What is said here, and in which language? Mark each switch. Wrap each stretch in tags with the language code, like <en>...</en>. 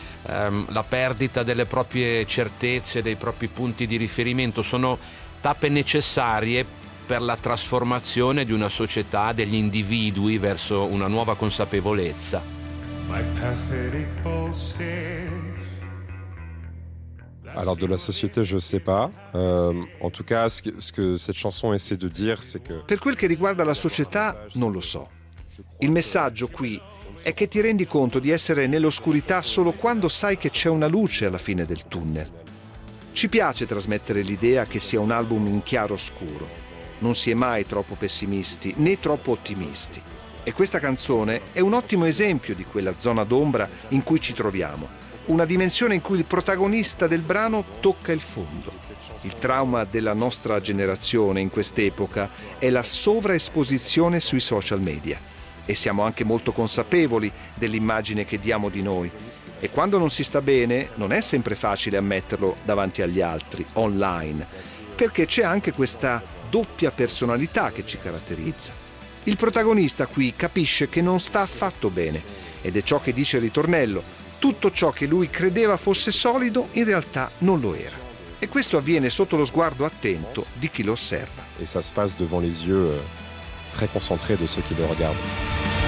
<it>La perdita delle proprie certezze, dei propri punti di riferimento sono tappe necessarie per la trasformazione di una società, degli individui verso una nuova consapevolezza.</it> <en>My pathetic boasting.</en> <fr>Alors de la société, je sais pas. En tout cas, ce que cette chanson essaie de dire, c'est que</fr> <it>per quel che riguarda la società, non lo so. Il messaggio qui è che ti rendi conto di essere nell'oscurità solo quando sai che c'è una luce alla fine del tunnel. Ci piace trasmettere l'idea che sia un album in chiaro scuro. Non si è mai troppo pessimisti né troppo ottimisti. E questa canzone è un ottimo esempio di quella zona d'ombra in cui ci troviamo. Una dimensione in cui il protagonista del brano tocca il fondo. Il trauma della nostra generazione in quest'epoca è la sovraesposizione sui social media. E siamo anche molto consapevoli dell'immagine che diamo di noi. E quando non si sta bene, non è sempre facile ammetterlo davanti agli altri, online, perché c'è anche questa doppia personalità che ci caratterizza. Il protagonista qui capisce che non sta affatto bene, ed è ciò che dice il ritornello. Tutto ciò che lui credeva fosse solido, in realtà non lo era. E questo avviene sotto lo sguardo attento di chi lo osserva.</it> <fr>E ça se passe devant les yeux très concentrés de ceux qui le regardent.</fr>